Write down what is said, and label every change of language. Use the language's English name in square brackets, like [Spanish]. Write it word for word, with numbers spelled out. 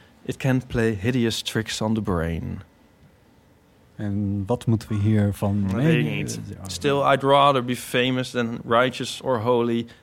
[English] It can play hideous tricks on the brain. [Dutch] En wat moeten we hiervan meenemen? [English] Still, I'd rather be famous than righteous or holy.